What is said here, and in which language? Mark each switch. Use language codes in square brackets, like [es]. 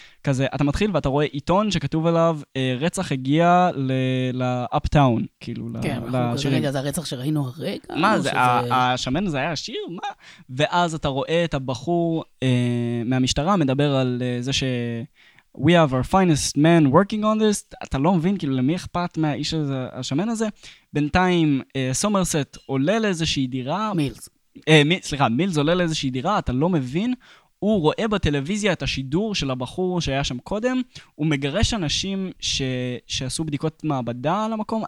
[he] כזה, אתה מתחיל ואתה רואה עיתון שכתוב עליו, רצח הגיע ל-Uptown, כאילו, לשירים. כן, רגע, זה הרצח שראינו הרגע. מה, השמן הזה היה שיר? מה? ואז אתה רואה את הבחור מהמשטרה מדבר על זה ש... [en] We have our finest man working on this. [he] אתה לא מבין, כאילו, למי אכפת מהאיש הזה, השמן הזה? בינתיים, סומרסט עולה לאיזושהי דירה. מילס. סליחה, מילס עולה לאיזושהי דירה, אתה לא מבין. הוא רואה בטלוויזיה את השידור של הבחור שהיה שם קודם. הוא מגרש אנשים שעשו בדיקות מעבדה על המקום.